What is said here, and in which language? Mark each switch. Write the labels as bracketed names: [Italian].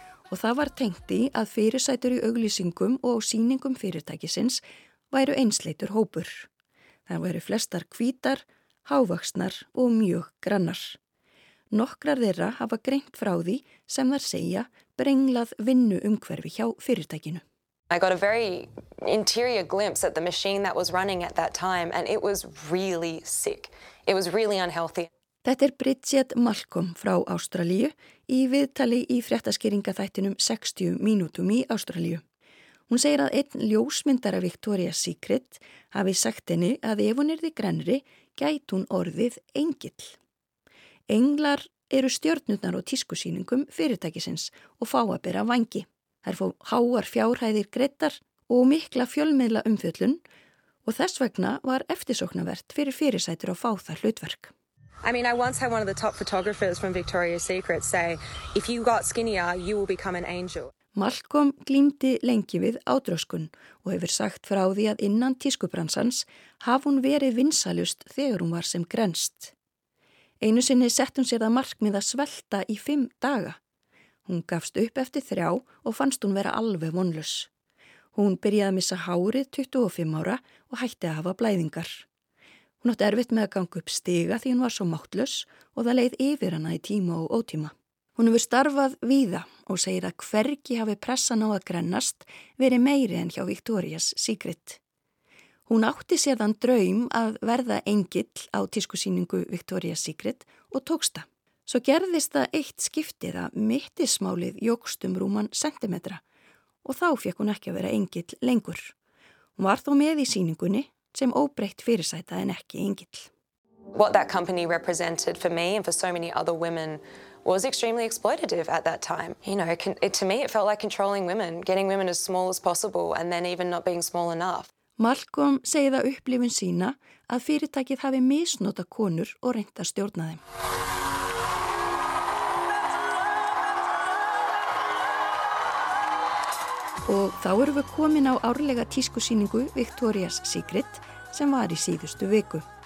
[Icelandic] Og það var tengt í að fyrirsætur í auglýsingum og sýningum fyrirtækisins væru einsleitur hópur. Það væru flestar hvítar, hávaxnar og mjög grannar. Nokkrar þeirra hafa greint frá því sem þar segja brenglað vinnu umhverfi hjá fyrirtækinu. [English] I got a very interior glimpse at the machine that was running at that time and it was really sick. It was really unhealthy. [Icelandic] Þetta er Bridget Malcolm frá Ástralíu í viðtali í fréttaskýringaþættinum 60 mínútum í Ástralíu. Hún segir að einn ljósmyndara Victoria's Secret hafi sagt henni að ef hún yrði grennri gæt hún orðið engill. Englar eru stjörnurnar og tískusýningum fyrirtækisins og fá að bera vangi. Þær fá háar fjárhæðir greittar og mikla fjölmiðla umfjöllun og þess vegna var eftirsóknarvert fyrir fyrirsætur að fá þar hlutverk. [English] I mean, I once had one of the top photographers from Victoria's Secret say, if you got skinnier, you will become an angel. [Icelandic] Malcolm glímdi lengi við ádröskun og hefur sagt frá því að innan tískubransans haf hún verið vinsalust þegar hún var sem grenst. Einu sinni sett hún sér það markmið að svelta í 5 daga. Hún gafst upp eftir 3 og fannst hún vera alveg vonlaus. Hún byrjaði að missa hárið 25 ára og hætti að hafa blæðingar. Hún átti erfitt með að ganga upp stiga því hún var svo máttlaus og það leið yfir hana í tíma og ótíma. Hún hefur starfað víða og segir að hvergi hafi pressan á að grennast verið meiri en hjá Victoria's Secret. Hún átti sér þann draum að verða engill á tískusýningu Victoria's Secret og tókst það. Svo gerðist það eitt skiptið að mittismálið jókst rúman sentimetra og þá fekk hún ekki að vera engill lengur. Hún var þó með í sýningunni sem óbreytt fyrirsæta en ekki engill. [English] What that company represented for me and for so many other women was extremely exploitative at that time. You know, to me it felt like controlling women, getting women as small as possible and then even not being small enough. [Icelandic] Malcolm segir það upplifun sína að fyrirtækið hafi misnotað konur og reynt að stjórna þeim. Og þá erum við komin á árlega tískusýningu Victoria's Secret sem var í síðustu viku.